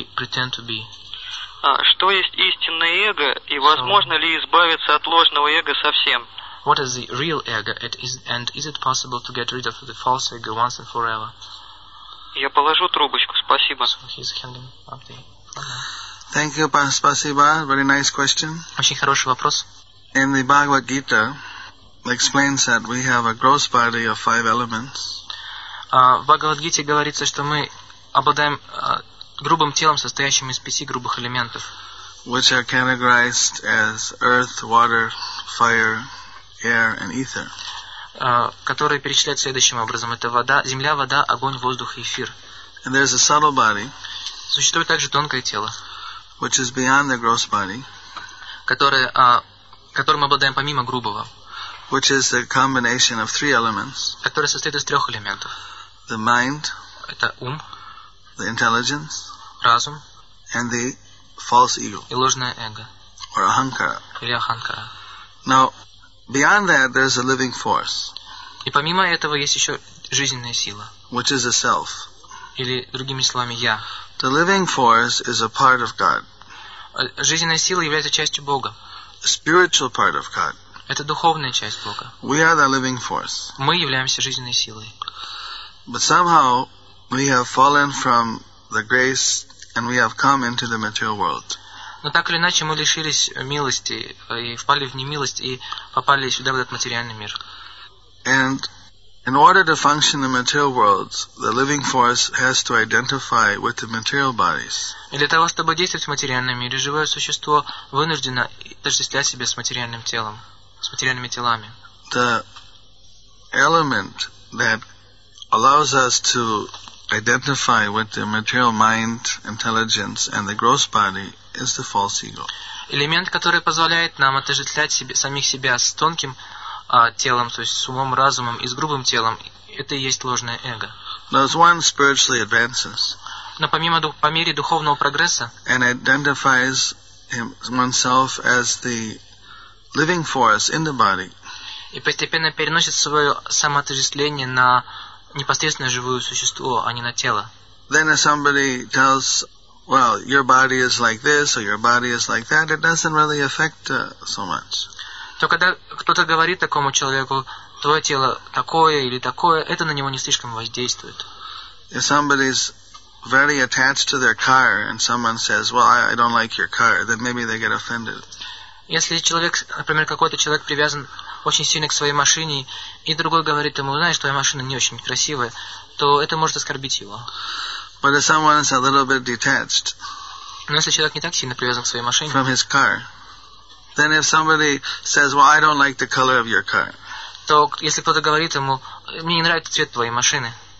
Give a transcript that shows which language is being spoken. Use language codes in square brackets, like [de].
[ru] Что есть истинное эго, и возможно ли избавиться от ложного эго совсем? [en] What is the real ego? And is it possible to get rid of the false ego once and forever? [ru] Я положу трубочку. Спасибо. [en] So he's handing up the... Thank you, [ru] спасибо. [en] Very nice question. [ru] Очень хороший вопрос. [en] In the Bhagavad Gita, explains that we have a gross body of five elements. [ru] В Bhagavad Gita говорится, что мы обладаем грубым телом, состоящим из пяти грубых элементов. [en] Which are categorized as earth, water, fire, air and ether. [ru] Которые перечисляют следующим образом: это вода, земля, вода, огонь, воздух и эфир. [en] And there's a subtle body. [ru] Существует также тонкое тело. [en] Which is beyond the gross body. [ru] Которым обладаем помимо грубого. [en] Which is a combination of three elements. [ru] Которое состоит из трех элементов. [en] The mind. [ru] Это ум. [en] The intelligence. [ru] Разум. [en] And the false ego. [ru] И ложное эго. [en] Or ahankara. [ru] Или аханкара. [en] Now, beyond that, there's a living force. [ru] И помимо этого есть еще жизненная сила. [en] Which is a self. [ru] Или другими словами, я. [en] The living force is a part of God. [ru] Жизненная сила является частью Бога. [en] A spiritual part of God. [ru] Это духовная часть Бога. [en] We are the living force. [ru] Мы являемся жизненной силой. [en] But somehow we have fallen from the grace and we have come into the material world. [ru] Но так или иначе мы лишились милости и впали в немилость и попали сюда, в этот материальный мир. [en] And in order to function in the material world, the living force has to identify with the material bodies. [ru] И для того, чтобы действовать в материальном мире, живое существо вынуждено отождествлять себя с материальным телом, с материальными телами. [en] The element that allows us to identify with the material mind, intelligence, and the gross body is the false ego. [ru] Элемент, который позволяет нам отождествлять себе, самих себя с тонким телом, то есть с умом, разумом и с грубым телом, это и есть ложное эго. [en] Now, as one spiritually advances, [ru] но по мере духовного прогресса [en] and identifies oneself as the living force in the body. [ru] И постепенно переносит свое самоотождествление на непосредственное живое существо, а не на тело. [en] Then if somebody tells, well, your body is like this or your body is like that, it doesn't really affect so much. [ru] То когда кто-то говорит такому человеку, твое тело такое или такое, это на него не слишком воздействует. [en] If somebody is very attached to their car and someone says, well, I don't like your car, then maybe they get offended. [ru] Если человек, например, какой-то человек привязан очень сильно к своей машине, и другой говорит ему, знаешь, твоя машина не очень красивая, то это может оскорбить его. [en] But if someone is a little bit detached, [ru] но если человек не так сильно привязан к своей машине, [en] from his car, then if somebody says, well, I don't like the color of your car, [ru] то если кто-то говорит ему, мне не нравится цвет твоей машины,